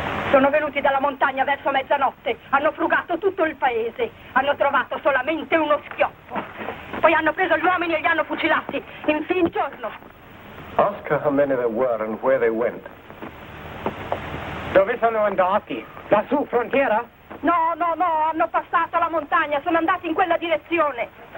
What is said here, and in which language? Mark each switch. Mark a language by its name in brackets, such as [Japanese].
[Italian] Sono venuti dalla montagna verso mezzanotte, hanno frugato tutto il paese, hanno trovato solamente uno schioppo. Poi hanno preso gli uomini e li hanno fucilati, in fin giorno. [English] Ask her how many there were and where they went. [Italian] Dove sono andati? Lassù, frontiera? No, no, no, hanno passato la montagna, sono andati in quella direzione.